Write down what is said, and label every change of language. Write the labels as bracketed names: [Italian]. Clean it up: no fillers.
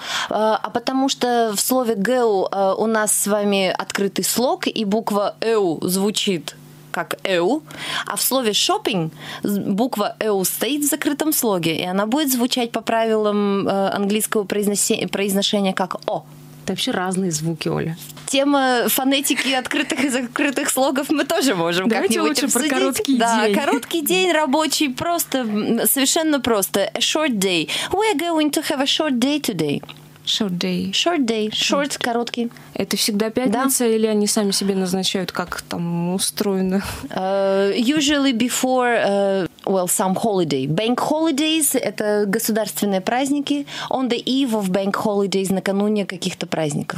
[Russian] А потому что в слове гео у нас с вами открытый слог, и буква эу звучит как «эу», а в слове «шоппинг» буква «эу» стоит в закрытом слоге, и она будет звучать по правилам английского произношения как «о». Это вообще разные звуки, Оля. Тема фонетики открытых и закрытых слогов мы тоже можем давайте как-нибудь лучше обсудить. Про короткий да, день. Да, короткий день рабочий, просто, совершенно просто. [English] A short day. We're going to have a short day today. Short day. Short day. Short, short. Короткий. [Russian] Это всегда пятница, да? Или они сами себе назначают, как там устроено? [English] Usually before, well, some holiday. [Russian] Bank holidays – это государственные праздники. [English] On the eve of bank holidays – [Russian] накануне каких-то праздников.